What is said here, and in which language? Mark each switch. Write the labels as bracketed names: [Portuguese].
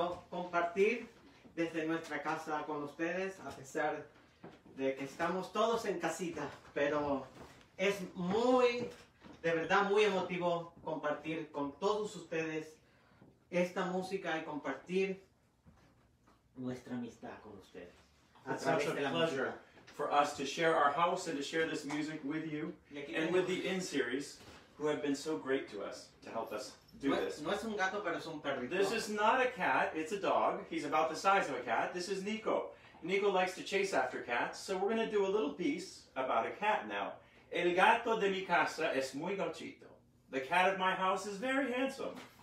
[Spanish] compartir desde nuestra casa con ustedes, a pesar de que estamos todos en casita, pero es muy, de verdad, muy emotivo compartir con todos ustedes esta música y compartir nuestra amistad con ustedes. [English] It's such a pleasure for us to share our house and to share this music with you and with the In Series, who have been so great to us to help us do this. [Spanish] No es un gato, pero es un perrito. [English] This is not a cat, it's a dog. He's about the size of a cat. This is Nico. Nico likes to chase after cats, so we're going to do a little piece about a cat now. [Spanish] El gato de mi casa es muy gauchito. [English] The cat of my house is very handsome.